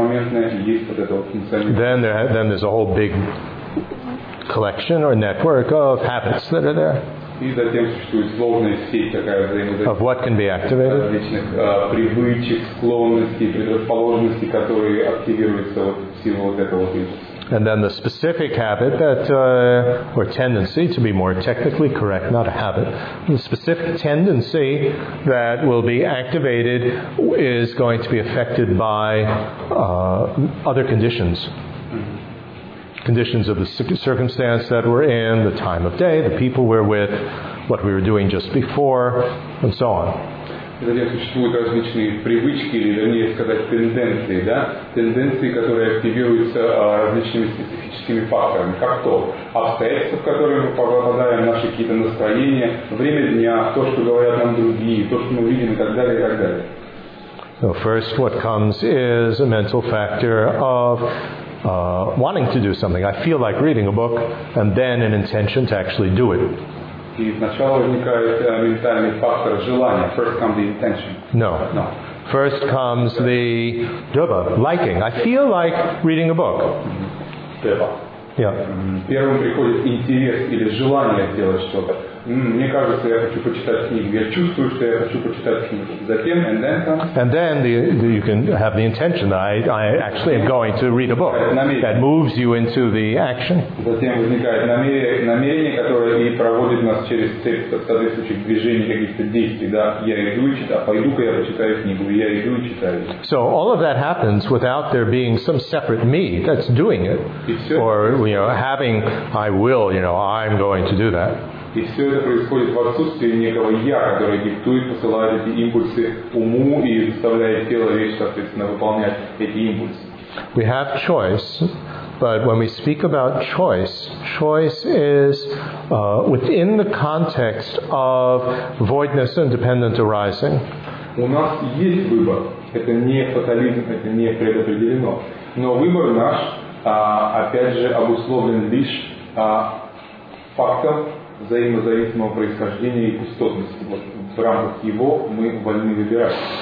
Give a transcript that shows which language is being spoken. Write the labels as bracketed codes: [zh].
[en] Then there's a whole big collection or network of habits that are there. [ru] И затем существует сложная сеть, такая взаимодействия различных привычек, склонностей, предрасположенностей, которые активируются вот в силу вот этого импульса. [en] And then the specific habit that, or tendency, to be more technically correct, not a habit, the specific tendency that will be activated is going to be affected by other conditions. Conditions of the circumstance that we're in, the time of day, the people we're with, what we were doing just before, and so on. [ru] Затем существуют различные привычки, или вернее сказать, тенденции, да? Тенденции, которые активируются различными специфическими факторами, как то обстоятельства, в которые мы попадаем, наши какие-то настроения, время дня, то, что говорят нам другие, то, что мы видим, и так далее, и так далее. [en] So first, what comes is a mental factor of wanting to do something. I feel like reading a book, and then an intention to actually do it. [ru] И сначала возникает ментальный фактор желания. [en] First comes the intention. No. No. First comes the dubba, liking. I feel like reading a book. Dubba. Yeah. [ru] Первым приходит интерес или желание сделать что-то. Мне кажется, я хочу почитать книгу. Я чувствую, что я хочу почитать книгу. Затем, [en] and then comes... And then you can have the intention that I actually am going to read a book. That moves you into the action. [ru] Затем возникает намерение, которое и проводит нас через цепь соответствующих движений, каких-то действий. Да, я иду и читаю. Пойду-ка я почитаю книгу. Я иду и читаю. [en] So all of that happens without there being some separate me that's doing it. Or, you know, having, I will, you know, I'm going to do that. [ru] И все это происходит в отсутствии некого «я», который диктует, посылает эти импульсы уму и заставляет тело, речь, соответственно, выполнять эти импульсы. [en] We have choice, but when we speak about choice, choice is within the context of voidness and dependent arising. [ru] У нас есть выбор. Это не фатализм, это не предопределено. Но выбор наш, опять же, обусловлен лишь фактом, взаимозависимого происхождения и пустотности. Вот, в рамках его мы вольны выбирать.